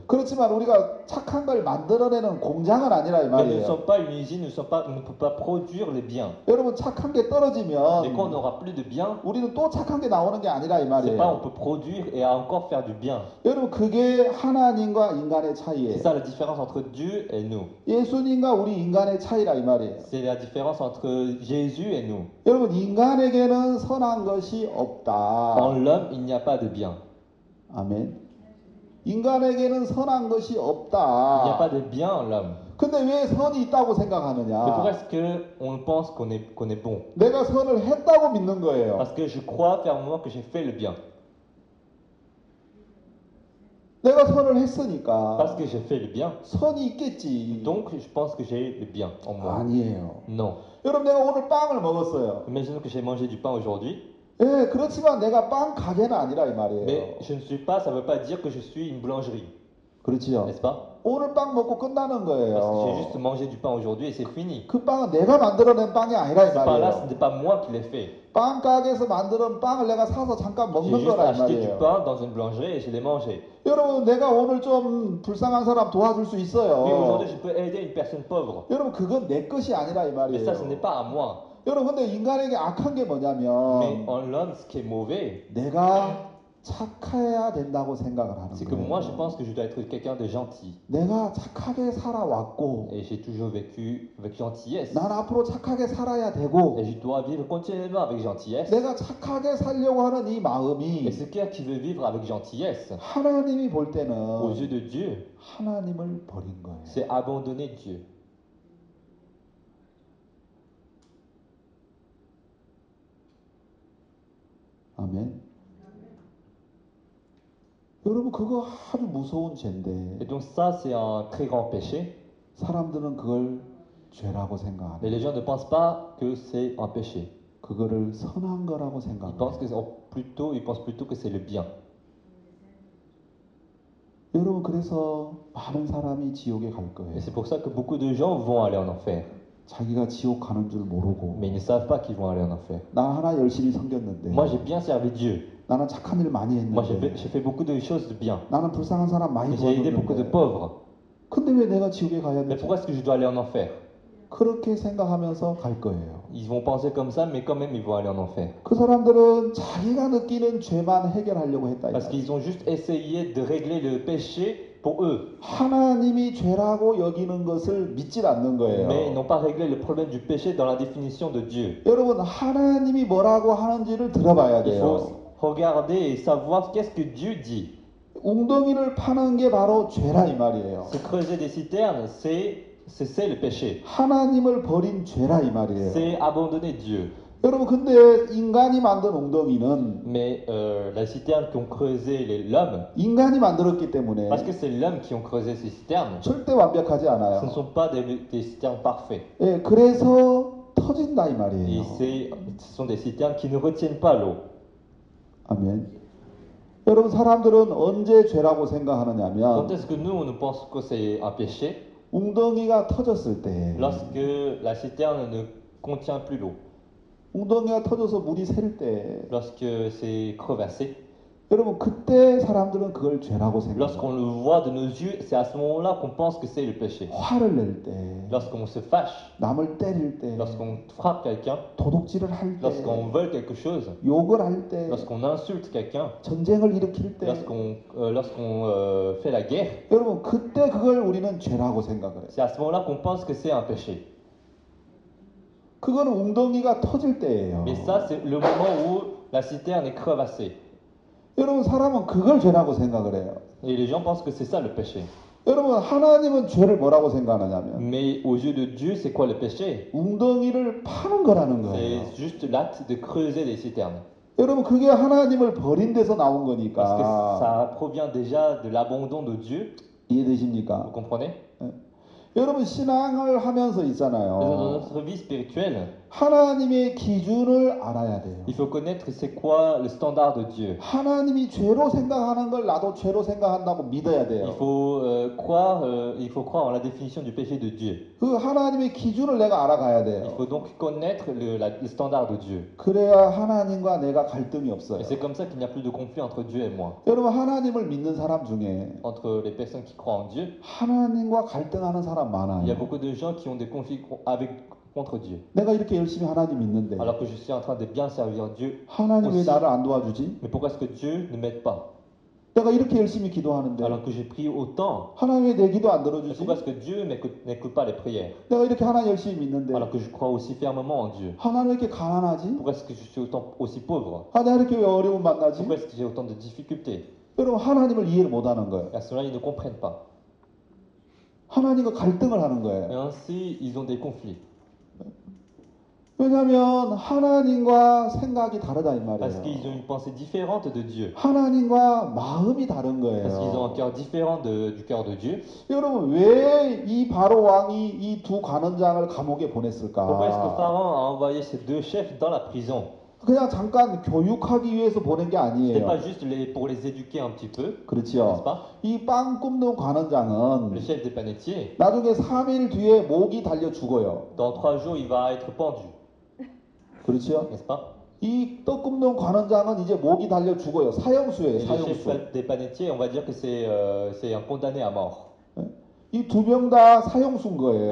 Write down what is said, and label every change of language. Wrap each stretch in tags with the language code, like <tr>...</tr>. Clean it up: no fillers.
<ko>그렇지만 우리가 착한 걸 만들어내는 공장은 아니라 이 말이에요.</ko> <fr>Mais nous ne sommes pas une usine, nous ne pouvons pas produire les biens.</fr> <ko>여러분 착한 게 떨어지면</ko> <fr>quand on aura plus de bien,</fr> <ko>우리는 또 착한 게 나오는 게 아니라 이 말이에요.</ko> <fr>C'est pas on peut produire et encore faire du bien.</fr> <ko>여러분 그게 하나님과 인간의 차이예요.</ko> <fr>C'est ça la différence entre Dieu et nous.</fr> <ko>예수님과 우리 인간의 차이라 이 말이에요.</ko> <fr>C'est la différence entre Jésus et nous.</fr> <ko>여러분 인간에게는 선한 것이 없다.</ko> <fr>En l'homme, il n'y a pas de bien.</fr> <ko>아멘. 인간에게는 선한 것이 없다.</ko> <fr>Il n'y a pas de bien en l'homme.</fr> <ko>근데 왜 선이 있다고 생각하느냐?</ko> <fr>Mais pourquoi est-ce qu'on pense qu'on est bon?</fr> <ko>내가 선을 했다고 믿는 거예요.</ko> <fr>Parce que je crois fermement que j'ai fait le bien.</fr> <ko>내가 선을 했으니까.</ko> <fr>Parce que j'ai fait le bien.</fr> <ko>선이 있겠지.</ko> <fr>Donc je pense que j'ai le bien en moi.</fr> <ko>아니에요.</ko> <fr>Non.</fr> <ko>여러분 내가 오늘 빵을 먹었어요.</ko> <fr>Imaginez que j'ai mangé du pain aujourd'hui.</fr> <ko>예, 그렇지만 내가 빵 가게는 아니라 이 말이에요.</ko> <fr>Mais je ne suis pas, ça veut pas dire que je suis une boulangerie.</fr> <ko>그렇지요.</ko> <fr>N'est-ce pas?</fr> <ko>오늘 빵 먹고 끝나는 거예요.</ko> <fr>Parce que j'ai juste mangé du pain aujourd'hui et c'est fini.</fr> <ko>그 빵은 내가 만들어낸 빵이 아니라 이 말이에요.</ko> <fr>C'est pas là, ce n'est pas moi qui l'ai fait.</fr> <ko>빵 가게에서 만든 빵을 내가 사서 잠깐 먹는 거란 말이에요.</ko> <fr>J'ai juste acheté du pain dans une boulangerie et je l'ai mangé.</fr> <ko>여러분 내가 오늘 좀 불쌍한 사람 도와줄 수 있어요.</ko> <fr>Oui, aujourd'hui je peux aider une personne pauvre.</fr> <ko>여러분 그건 내 것이 아니라 이 말이에요.</ko> <fr>Mais ça, ce n'est pas à moi.</fr> <ko>여러분 근데 인간에게 악한 게 뭐냐면</ko> <fr>Mais en l'homme, ce qui est mauvais,</fr> <ko>내가 착해야 된다고 생각을 하는</ko> <fr>c'est que</fr> <ko>거예요.</ko> <fr>Moi, je pense que je dois être quelqu'un de gentil.</fr> <ko>내가 착하게 살아왔고</ko> <fr>Et j'ai toujours vécu avec gentillesse.</fr> <ko>난 앞으로 착하게 살아야 되고</ko> <fr>Et je dois vivre continuellement avec gentillesse.</fr> <ko>내가 착하게 살려고 하는 이 마음이</ko> <fr>Et ce cœur qui veut vivre avec gentillesse.</fr> <ko>하나님이 볼 때는</ko> <fr>aux yeux de Dieu,</fr> <ko>하나님을 버린 거예요.</ko> <fr>C'est abandonner Dieu.</fr> <ko>아멘. 여러분 그거 아주 무서운 죄인데.</ko> <fr>Et donc ça c'est un très grand péché.</fr> <ko>사람들은 그걸 죄라고 생각.</ko> <fr>Mais les gens ne pensent pas que c'est un péché.</fr> <ko>그거를 선한 거라고 생각.</ko> <fr>Ils pensent que c'est plutôt, ils pensent plutôt que c'est le bien.</fr> <ko>여러분 그래서 많은 사람이 지옥에 갈 거예요.</ko> <fr>Et c'est pour ça que beaucoup de gens vont aller en enfer.</fr> <ko>자기가 지옥 가는 줄 모르고.</ko> <fr>Mais ils ne savent pas qu'ils vont aller en enfer.</fr> <ko>나 하나 열심히 섬겼는데.</ko> <fr>Moi j'ai bien servi Dieu.</fr> <ko>나는 착한 일 많이 했는데.</ko> <fr>Moi j'ai fait beaucoup de choses bien.</fr> <ko>나는 불쌍한 사람 많이</ko> <fr>j'ai</fr> <ko>보였는데.</ko> <fr>Aidé beaucoup de pauvres.</fr> <ko>근데 왜 내가 지옥에 가야 되지?</ko> <fr>Mais pourquoi est-ce que je dois aller en enfer?</fr> <ko>그렇게 생각하면서 갈 거예요.</ko> <fr>Ils vont penser comme ça, mais quand même ils vont aller en enfer.</fr> <ko>그 사람들은 자기가 느끼는 죄만 해결하려고 했다.</ko> <fr>Parce qu'ils ont juste essayé de régler le péché. Pour eux.</fr> <ko>하나님이 죄라고 여기는 것을 믿지 않는 거예요.</ko> <fr>Mais ils n'ont pas réglé le problème du péché dans la définition de Dieu.</fr> <ko>여러분 하나님이 뭐라고 하는지를 들어봐야 돼요.</ko> <fr>Il faut regarder et savoir qu'est-ce que Dieu dit.</fr> <ko>웅덩이를 파는 게 바로 죄라 이 말이에요.</ko> <fr>Se creuser des citernes, c'est le péché.</fr> <ko>하나님을 버린 죄라 이 말이에요.</ko> <fr>C'est abandonner Dieu.</fr> <ko>여러분 근데 인간이 만든 웅덩이는</ko> <fr>mais la citerne qu'ont creusé l'homme</fr> <ko>인간이 만들었기 때문에</ko> <fr>parce que c'est l'homme qui ont creusé ces citernes</fr> <ko>절대 완벽하지 않아요.</ko> <fr>Ce ne sont pas des citernes parfaits.</fr> <ko>예, 그래서 터진다 이 말이에요.</ko> <fr>Et ce sont des citernes qui ne retiennent pas l'eau.</fr> <ko>아멘. 여러분 사람들은 언제 죄라고 생각하느냐면</ko> <fr>quand est-ce que nous on ne pense que c'est un péché?</fr> <ko>웅덩이가 터졌을 때</ko> <fr>lorsque la citerne ne contient plus l'eau.</fr> <ko>웅덩이가 터져서 물이 셀 때</ko> <fr>lorsque c'est crevassé</fr> <ko>여러분 그때 사람들은 그걸 죄라고 생각해요. 화를 낼 때,</ko> <fr>lorsqu'on se fâche,</fr> <ko>남을 때릴 때,</ko> <fr>lorsqu'on frappe quelqu'un,</fr> <ko>도둑질을 할 때,</ko> <fr>lorsqu'on vole quelque chose,</fr> <ko>욕을 할 때,</ko> <fr>lorsqu'on insulte quelqu'un,</fr> <ko>전쟁을 일으킬 때,</ko> <fr>lorsqu'on fait la guerre,</fr> <ko>여러분 그때 그걸 우리는 죄라고 생각을 해요.</ko> <fr>C'est à ce moment-là qu'on pense que c'est un péché.</fr> <ko>그거는 웅덩이가 터질 때예요.</ko> <fr>Mais ça c'est le moment où la citerne est crevassée.</fr> <ko>여러분 사람은 그걸 죄라고 생각을 해요.</ko> <fr>Et les gens pensent que c'est ça le péché.</fr> <ko>여러분 하나님은 죄를 뭐라고 생각하냐면</ko> <fr>Mais aux yeux de Dieu, c'est quoi le péché?</fr> <ko>웅덩이를 파는 거라는 거예요.</ko> <fr>C'est juste l'acte de creuser des citernes.</fr> <ko>여러분 그게 하나님을 버린 데서 나온 거니까.</ko> <fr>Parce que ça provient déjà de l'abandon de Dieu.</fr> <ko>이해되십니까?</ko> <fr>Vous comprenez?</fr> <ko>여러분 신앙을 하면서 있잖아요.</ko> <fr>Notre vie spirituelle,</fr> <ko>하나님의 기준을 알아야 돼요.</ko> <fr>Il faut connaître c'est quoi le standard de Dieu.</fr> <ko>하나님이 죄로 생각하는 걸 나도 죄로 생각한다고 믿어야 돼요.</ko> <fr>Il faut croire en la définition du péché de Dieu.</fr> <ko>그 하나님의 기준을 내가 알아가야 돼요.</ko> <fr>Il faut donc connaître le standard de Dieu.</fr> <ko>그래야 하나님과 내가 갈등이 없어요.</ko> <fr>Et c'est comme ça qu'il n'y a plus de conflit entre Dieu et moi.</fr> <ko>여러분 하나님을 믿는 사람 중에</ko> <fr>entre les personnes qui croient en Dieu,</fr> <ko>하나님과 갈등하는 사람</ko> <fr>Il y a beaucoup de gens qui ont des conflits avec contre Dieu.</fr> <ko>내가 이렇게 열심히 하나님 믿는데.</ko> <fr>Alors que je suis en train de bien servir Dieu.</fr> <ko>하나님 왜 나를 안 도와주지?</ko> <fr>Mais pourquoi est-ce que Dieu ne m'aide pas?</fr> <ko>내가 이렇게 열심히 기도하는데.</ko> <fr>Alors que j'ai prié autant.</fr> <ko>하나님 왜 내 기도 안 들어주지?</ko> <fr>Pourquoi est-ce que Dieu n'écoute pas les prières?</fr> <ko>내가 이렇게 하나님 열심히 믿는데.</ko> <fr>Alors que je crois aussi fermement en Dieu.</fr> <ko>하나님 왜 이렇게 가난하지?</ko> <fr>Pourquoi est-ce que je suis autant aussi pauvre?</fr> <ko>하나님 이렇게 왜 어려움 만나지?</ko> <fr>Pourquoi est-ce que j'ai autant de difficultés?</fr> <ko>여러분 하나님을 이해를 못 하는 거예요.</ko> <fr>Et cela ils ne comprennent pas.</fr> <ko>하나님과 갈등을 하는 거예요.</ko> <fr>Et ainsi, ils ont des conflits.</fr> <ko>왜냐하면 하나님과 생각이 다르다 이 말이에요.</ko> <fr>Parce qu'ils ont une pensée différente de Dieu.</fr> <ko>하나님과 마음이 다른 거예요.</ko> <fr>Parce qu'ils ont un cœur différent du cœur de Dieu.</fr> <ko>여러분 왜 이 바로 왕이 이 두 관원장을 감옥에 보냈을까?</ko> <fr>Pourquoi est-ce que Pharaon a envoyé ces deux chefs dans la prison?</fr> <ko>그냥 잠깐 교육하기 위해서 보낸 게 아니에요.</ko> <fr>C'est pas juste pour les éduquer un petit peu.</fr> <ko>그렇죠. 이 빵 굽는 관원장은</ko> <fr>Le chef des panettiers.</fr> <ko>나중에 3일 뒤에 목이 달려 죽어요.</ko> <fr>Dans 3 jours, il va être pendu.</fr> <ko>그렇죠.</ko> <fr>N'est-ce pas?</fr> <ko>이 떡 굽는 관원장은 이제 목이 달려 죽어요. 사형수예요, 사형수.</ko> <fr>Le chef des panettiers, on va dire que c'est un condamné à mort.</fr> <ko>이 두 명 다 사형수인 거예요.</ko>